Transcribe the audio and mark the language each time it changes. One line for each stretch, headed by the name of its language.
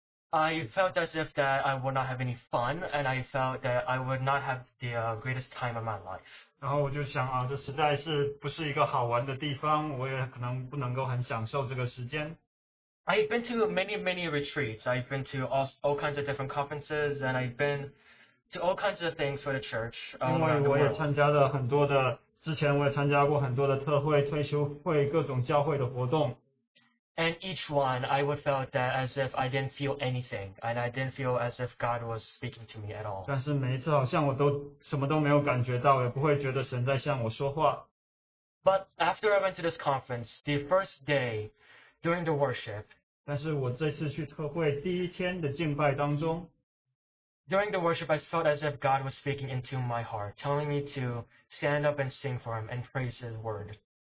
English: I felt as if that I would not have any fun, and I felt that I would not have the greatest time of my life.
Chinese: 然后我就想啊，这实在是不是一个好玩的地方，我也可能不能够很享受这个时间。
English: I've been to many retreats. I've been to all kinds of different conferences, and I've been to all kinds of things for the church.
Chinese: 因为我也参加了很多的，之前我也参加过很多的特会、退休会、各种教会的活动。
English: And each one, I would felt that as if I didn't feel anything, and I didn't feel as if God was speaking to me at all.
Chinese: 但是每一次好像我都什么都没有感觉到，也不会觉得神在向我说话。
English: But after I went to this conference, the first day during the worship,
Chinese: 但是我这次去特会第一天的敬拜当中,
English: during the worship, I felt as if God was speaking into my heart, telling me to stand up and sing for Him and praise His word.